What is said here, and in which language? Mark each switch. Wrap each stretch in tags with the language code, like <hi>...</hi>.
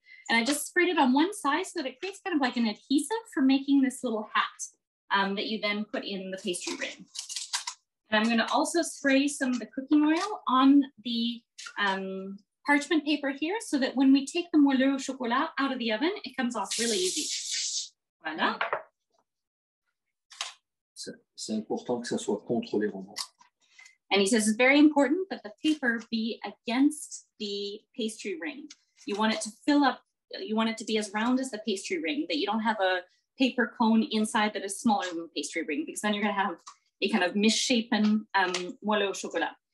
<en>And I just sprayed it on one side so that it creates kind of like an adhesive for making this little hat that you then put in the pastry ring. And I'm going to also spray some of the cooking oil on the parchment paper here so that when we take the moelleux au chocolat out of the oven, it comes off really easy.</en> <fr>Voilà. C'est important que ça soit contre les rondeaux.</fr> <en>And he says it's very important that the paper be against the pastry ring. You want it to fill up. You want it to be as round as the pastry ring, that you don't have a paper cone inside that is smaller than the pastry ring, because then you're going to have a kind of misshapen moelleux au chocolat.</en>